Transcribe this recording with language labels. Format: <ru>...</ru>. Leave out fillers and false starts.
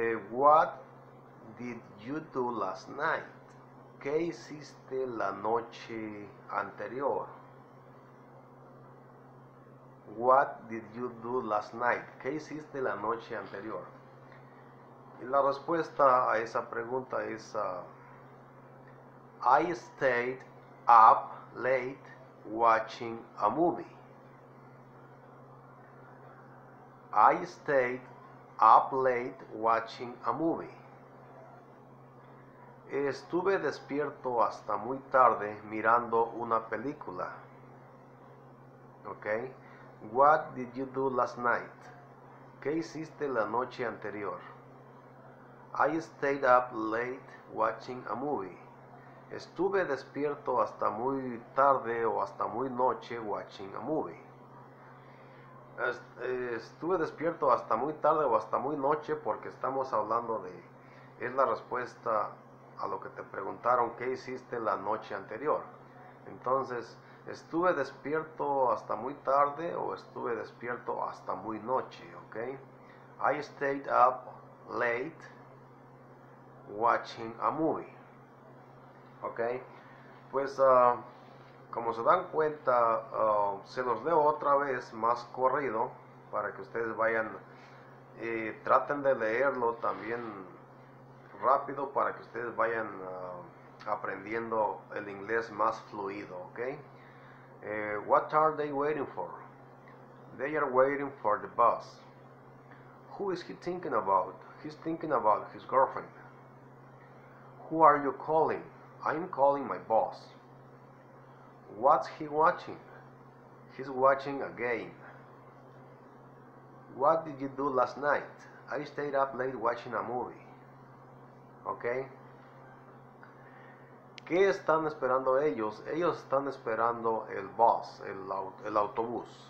<en>What did you do last night?</en> <es>¿Qué hiciste la noche anterior?</es> <en>What did you do last night?</en> <es>¿Qué hiciste la noche anterior? Y la respuesta a esa pregunta es</es> <en>I stayed up late watching a movie. I stayed up late watching a movie.</en> <es>Estuve despierto hasta muy tarde mirando una película. Okay.</es> <en>What did you do last night?</en> <es>¿Qué hiciste la noche anterior?</es> <en>I stayed up late watching a movie.</en> <es>Estuve despierto hasta muy tarde o hasta muy noche</es> <en>watching a movie.</en> <es>Estuve despierto hasta muy tarde o hasta muy noche porque estamos hablando de, es la respuesta a lo que te preguntaron, ¿qué hiciste la noche anterior? Entonces, ¿estuve despierto hasta muy tarde o estuve despierto hasta muy noche? ¿Ok?</es> <en>I stayed up late watching a movie. ¿Ok?</en> <es>Pues, como se dan cuenta, se los leo otra vez más corrido para que ustedes vayan y traten de leerlo también rápido para que ustedes vayan aprendiendo el inglés más fluido, ¿ok?</es> <en>What are they waiting for? They are waiting for the bus. Who is he thinking about? He's thinking about his girlfriend. Who are you calling? I'm calling my boss. What's he watching? He's watching a game. What did you do last night? I stayed up late watching a movie. ¿Ok?</en> <es>¿Qué están esperando ellos? Ellos están esperando el bus, el autobús.</es>